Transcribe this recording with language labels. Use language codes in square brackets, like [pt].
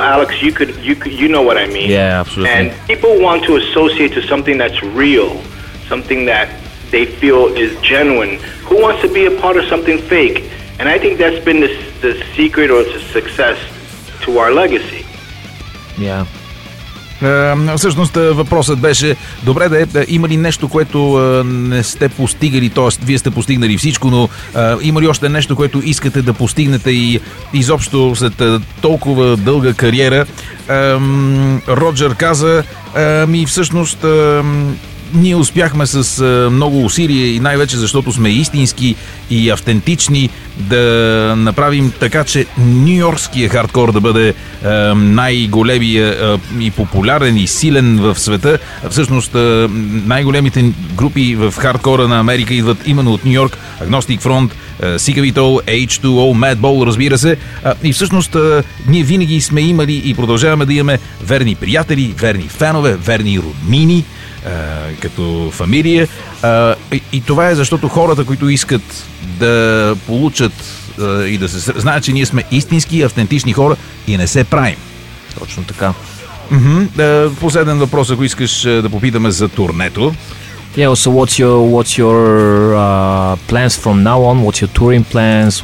[en] Alex, you know what I mean. Yeah, absolutely. And people want to associate to something that's real, something that they feel is genuine. Who wants to be a part of something fake? And I think that's been the secret or the success to our legacy. Yeah. [bg] Всъщност въпросът беше, добре да е, има ли нещо, което не сте постигали, т.е. вие сте постигнали всичко, но има ли още нещо, което искате да постигнете и изобщо след толкова дълга кариера? Роджер каза, ми всъщност ние успяхме с много усилие и най-вече защото сме истински и автентични да направим така, че нью-йоркския хардкор да бъде най-големия и популярен и силен в света. Всъщност най-големите групи в хардкора на Америка идват именно от Нью-Йорк. Agnostic Front, Sick of It All, H2O, Madball, разбира се. И всъщност ние винаги сме имали и продължаваме да имаме верни приятели, верни фенове, верни роднини като фамилия. И това е защото хората, които искат да получат и да се знаят, че ние сме истински, автентични хора и не се правим. Точно така. Последен въпрос, ако искаш да попитаме за турнето. [en] Yeah, so what's your plans from now on? What's your touring plans?